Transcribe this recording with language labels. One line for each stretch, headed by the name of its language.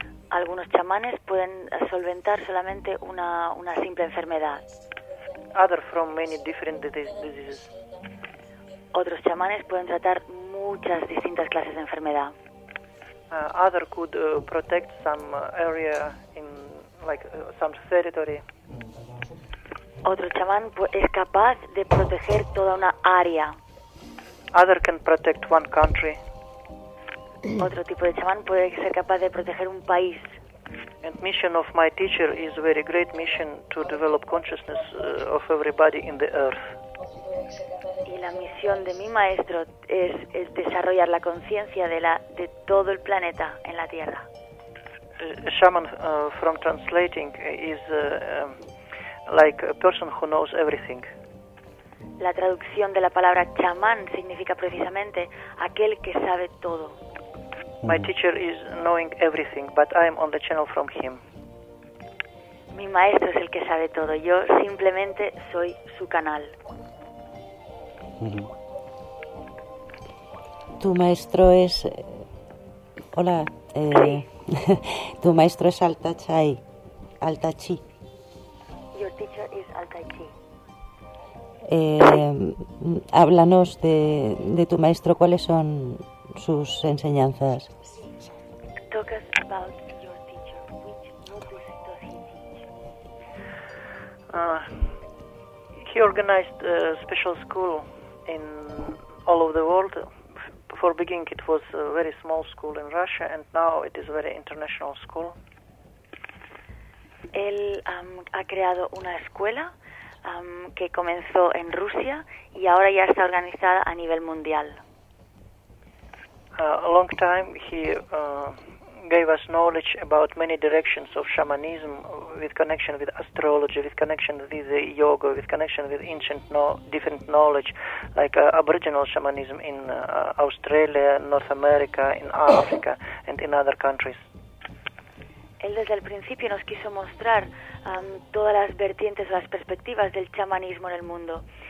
Spanish: Algunos chamanes pueden solventar solamente una simple enfermedad.
English: Other from many different diseases.
Spanish: Otros chamanes pueden tratar muchas distintas clases de enfermedad.
English: Other could protect some area in like some territory.
Spanish: Otro chamán es capaz de proteger toda una área.
English: Other can protect one country.
Spanish: Otro tipo de chamán puede ser capaz de proteger un país.
English: And mission of my teacher is a very great mission to develop consciousness of everybody in the earth.
Spanish: Y la misión de mi maestro es el desarrollar la conciencia de la de todo el planeta en la Tierra.
English: A shaman from translating is like a person who knows everything.
Spanish: La traducción de la palabra chamán significa precisamente aquel que sabe todo.
English: My teacher is knowing everything, but I am on the channel from him.
Spanish: Mi maestro es el que sabe todo. Yo simplemente soy su canal. Tu maestro es... Hola. Sí. Tu maestro es Alta Chai. Alta Chi.
English: Your teacher is Alta Chi.
Spanish: Háblanos de tu maestro. ¿Cuáles son sus enseñanzas?
English: Talk us about your teacher. Which modules does he teach? He organized a special school in all of the world. For beginning, it was a very small school in Russia, and now it is a very international school.
Spanish: Él ha creado una escuela que comenzó en Rusia y ahora ya está organizada a nivel mundial.
English: A long time he gave us knowledge about many directions of shamanism, with connection with astrology, with connection with yoga, with connection with ancient different knowledge, like Aboriginal shamanism in Australia, North America, in Africa, and in other countries.
Spanish: Él desde el principio nos quiso mostrar todas las vertientes, las perspectivas del chamanismo en el mundo.